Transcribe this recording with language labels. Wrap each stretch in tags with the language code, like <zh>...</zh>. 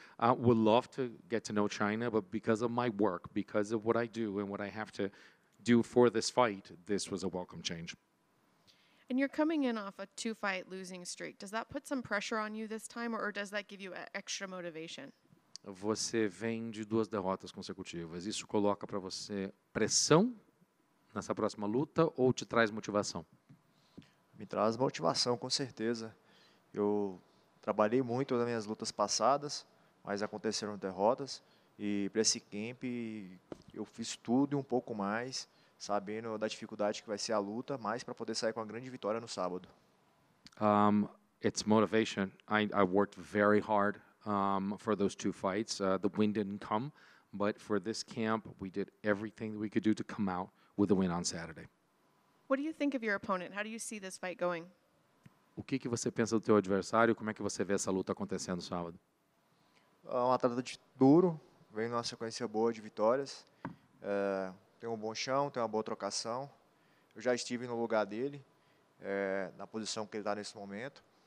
<en>Would love to get to know China, but because of my work, because of what I do and what I have to do for this fight, this was a welcome change. And you're coming in off a 2-fight losing streak. Does that put some pressure on you this time, or does that give you extra motivation?</en> <pt>Você vem de duas derrotas consecutivas. Isso coloca para você pressão nessa próxima luta ou te traz motivação? Me traz motivação, com certeza. Eu trabalhei muito nas minhas lutas passadas, mas aconteceram derrotas. E para esse camp, eu fiz tudo e um pouco mais, sabendo da dificuldade que vai ser a luta, mas para poder sair com a grande vitória no sábado.</pt> <en>It's motivation. I worked very hard for those 2 fights. The win didn't come, but for this camp, we did everything that we could do to come out with the win on Saturday. What do you think of your opponent? How do you see this fight going?</en> <pt>O que que você pensa do teu adversário? Como é que você vê essa luta acontecendo sábado? É um atleta duro, vem numa sequência boa de vitórias. Tem um bom chão, tem uma boa trocação. Eu já estive no lugar dele, na posição que ele está nesse momento.</pt>